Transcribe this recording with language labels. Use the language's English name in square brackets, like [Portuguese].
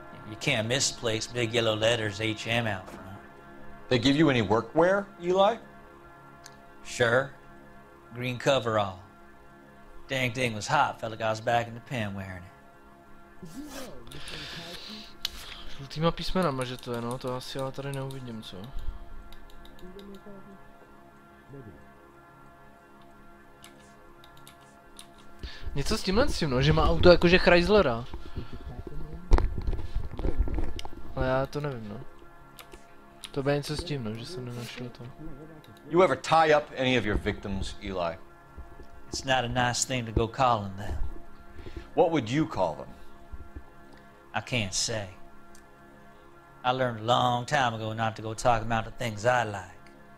[English] You can't miss the place, big yellow letters HM out front. They give you any workwear, Eli? Sure. Green coverall. Dang thing was hot, felt like I was back in the pen wearing it. [Czech] Žlutýma písmenama, že to je, no, to asi ale tady neuvidím, co? Něco s tímhle s tím, no, že má auto jakože Chryslera. Ale já to nevím, no. To by něco s tím, no, že jsem nenašel to. [English] You ever tie up any of your victims, Eli? It's not a nice thing to go calling them. What would you call them? I can't say. I learned a long time ago not to go talking about the things I like.